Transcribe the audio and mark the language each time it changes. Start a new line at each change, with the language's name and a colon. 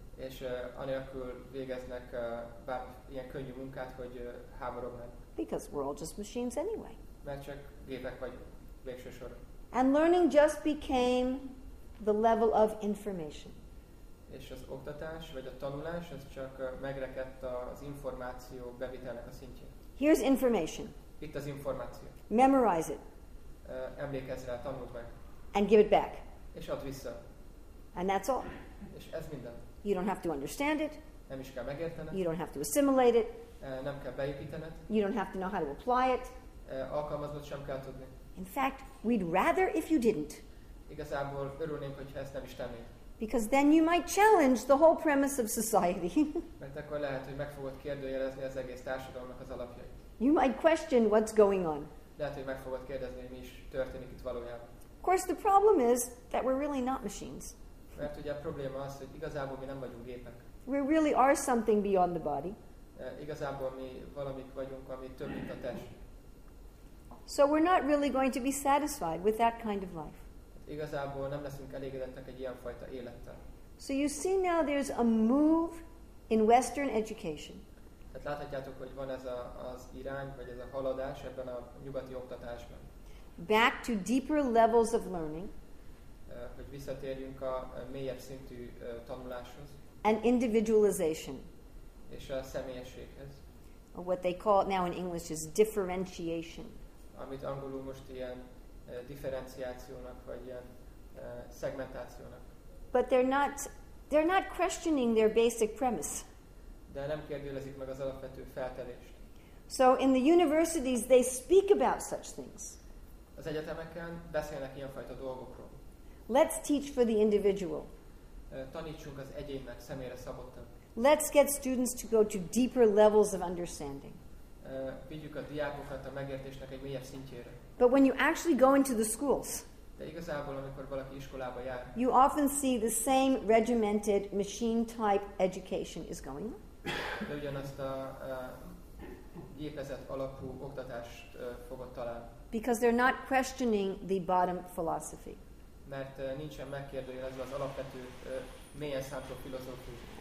Hungarian: És anélkül végeznek ilyen könnyű munkát, hogy háborognak.
English: Because we're all just machines anyway.
Hungarian: Mert csak gépek vagyunk.
English: And learning just became the level of information.
Hungarian: És az oktatás vagy a tanulás az csak megrekedt az információ bevitelnek a szintjén.
English: Here's information.
Hungarian: Itt az információ.
English: Memorize it.
Hungarian: Emlékezz rá, tanuld meg.
English: And give it back.
Hungarian: És add vissza.
English: And that's all.
Hungarian: És ez minden.
English: You don't have to understand it.
Hungarian: Nem is kell megértened.
English: You don't have to assimilate it.
Hungarian: Nem kell beépítened.
English: You don't have to know how to apply it.
Hungarian: Alkalmaznod sem kell tudni.
English: In fact, we'd rather if you didn't.
Hungarian: Igazából örülnénk, hogyha ezt nem is tennéd.
English: Because then you might challenge the whole premise of society.
Hungarian: Mert akkor lehet, hogy meg fogod kérdőjelezni az egész társadalomnak az alapjait.
English: You might question what's going on.
Hungarian: Lehet, hogy meg fogod kérdezni, hogy mi is történik itt valójában.
English: Of course, the problem is that we're really not machines.
Hungarian: Mert ugye a probléma az, hogy igazából mi nem vagyunk gépek.
English: We really are something beyond the body.
Hungarian: Igazából mi valamik vagyunk, ami több, mint a test.
English: So we're not really going to be satisfied with that kind of life.
Hungarian: Igazából nem leszünk elégedettek egy ilyen fajta élettel.
English: So you see now there's a move in Western education.
Hungarian: Tehát láthatjátok, hogy van ez az irány, vagy ez a haladás ebben a nyugati oktatásban.
English: Back to deeper levels of learning.
Hungarian: Hogy visszatérjünk a mélyebb szintű tanuláshoz.
English: And individualization.
Hungarian: És a személyességhez.
English: Or what they call now in English is differentiation.
Hungarian: Amit angolul most ilyen differenciációnak vagy ilyen segmentációnak.
English: But they're not questioning their basic premise.
Hungarian: De nem kérdőlezik meg az alapvető feltelést.
English: So in the universities they speak about such things.
Hungarian: Az egyetemeken beszélnek ilyenfajta dolgokról.
English: Let's teach for the individual.
Hungarian: Tanítsunk az egyénnek, személyre szabottan.
English: Let's get students to go to deeper levels of understanding.
Hungarian: Vigyük a diákokat a megértésnek egy mélyebb szintjére.
English: But when you actually go into the schools,
Hungarian: De igazából, amikor valaki iskolába jár,
English: you often see the same regimented machine-type education is going on.
Hungarian: De ugyanazt a gépezet alapú oktatást fogod találni.
English: Because they're not questioning the bottom philosophy.
Hungarian: Mert nincsen megkérdőjelezve az alapvető mélyen szántó filozófia.